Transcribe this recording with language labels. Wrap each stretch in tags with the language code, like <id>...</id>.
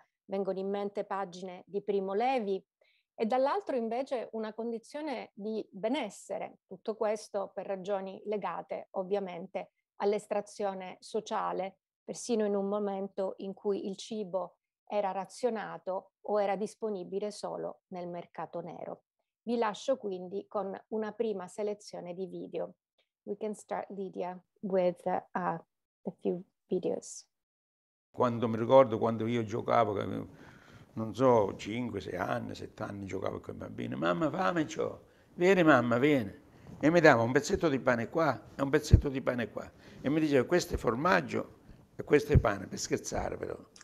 <it>vengono in mente pagine di Primo Levi, e dall'altro invece una condizione di benessere, tutto questo per ragioni legate ovviamente all'estrazione sociale, persino in un momento in cui il cibo era razionato o era disponibile solo nel mercato nero. Vi lascio quindi con una prima selezione di video.</it> <en>We can start, Lydia, with a few videos.</en> <it>Quando mi ricordo quando io giocavo, non so, 5, 6 anni, 7 anni giocavo con i bambini, mamma fame c'ho, vieni mamma, vieni. E mi dava un pezzetto di pane qua e un pezzetto di pane qua. E mi diceva questo è formaggio e questo è pane, per scherzare però.</it>